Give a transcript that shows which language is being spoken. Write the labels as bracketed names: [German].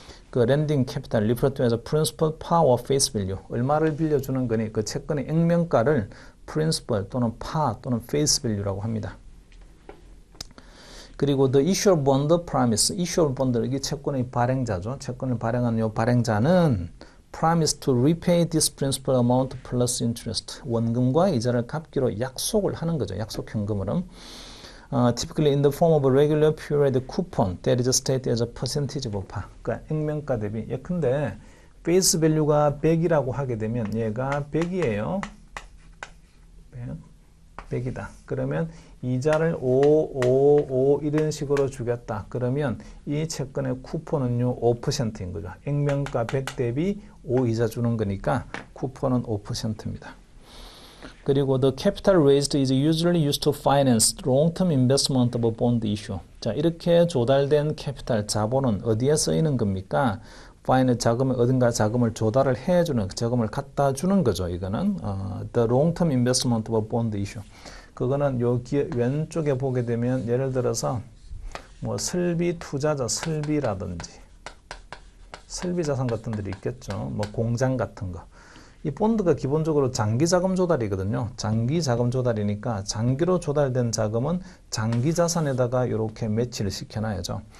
[Korean] 그 렌딩 캐피탈 리퍼 통해서 프린시플 파워 페이스 밸류 얼마를 빌려주는 거니 그 채권의 액면가를 프린시플 또는 파 또는 페이스 밸류라고 합니다. [English] 그리고 the issuer bond promise, issuer bond [Korean] 이게 채권의 발행자죠. 채권을 발행한 요 발행자는 [English] promise to repay this principal amount plus interest. [Korean] 원금과 이자를 갚기로 약속을 하는 거죠. 약속 현금으로. [English] Typically in the form of a regular period coupon that is stated as a percentage of par. [Korean] 그러니까 액면가 대비. 예컨대 face value가 100이라고 하게 되면 얘가 100이에요. 100이다. 그러면 이자를 5, 5, 5 이런 식으로 주겠다. 그러면 이 채권의 쿠폰은요 5%인 거죠. 액면가 100 대비 5 이자 주는 거니까 쿠폰은 5%입니다. [English] 그리고 the capital raised is usually used to finance long-term investment of a bond issue. [Korean] 자, 이렇게 조달된 캐피탈 자본은 어디에 쓰이는 겁니까? 파이낸스 자금을 어딘가 자금을 조달을 해주는 자금을 갖다 주는 거죠. [English] 이거는 the long-term investment of a bond issue. [Korean] 그거는 여기 왼쪽에 보게 되면 예를 들어서 뭐 설비 투자자 설비라든지 설비 자산 같은 데 있겠죠. 뭐 공장 같은 거. 이 본드가 기본적으로 장기 자금 조달이거든요. 장기 자금 조달이니까 장기로 조달된 자금은 장기 자산에다가 이렇게 매치를 시켜놔야죠.